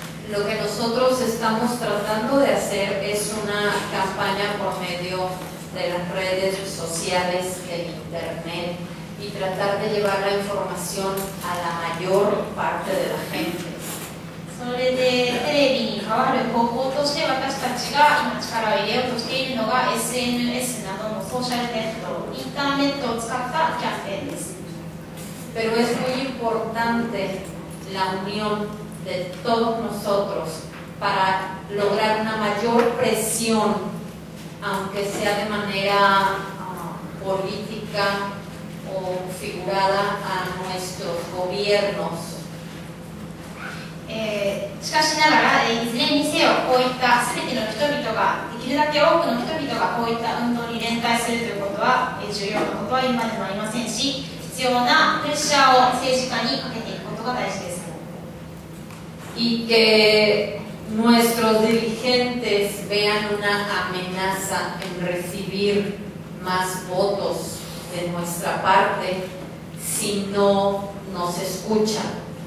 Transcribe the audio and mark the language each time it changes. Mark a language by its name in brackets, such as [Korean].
[Spanish] Lo que nosotros estamos tratando de hacer es una campaña por medio de las redes sociales, el internet, y tratar de llevar la información a la mayor parte de la gente. [Japanese] それでテレビに変わる方法として私たちが今力を入れようとしているのが SNS などのソーシャルネット、インターネットを使ったキャンペーンです。 [Spanish] Pero es muy importante la unión de todos nosotros para lograr una mayor presión aunque sea de manera política o figurada a nuestros gobiernos. [Japanese] しかしながら、いずれにせよこういった全ての人々ができるだけ多くの人々がこういった運動に連帯するということは、重要なことは今でもありませんし、必要なプレッシャーを政治家にかけていくことが大事です。 [Spanish] Y que nuestros dirigentes vean una amenaza en recibir más votos de nuestra parte si no nos escuchan.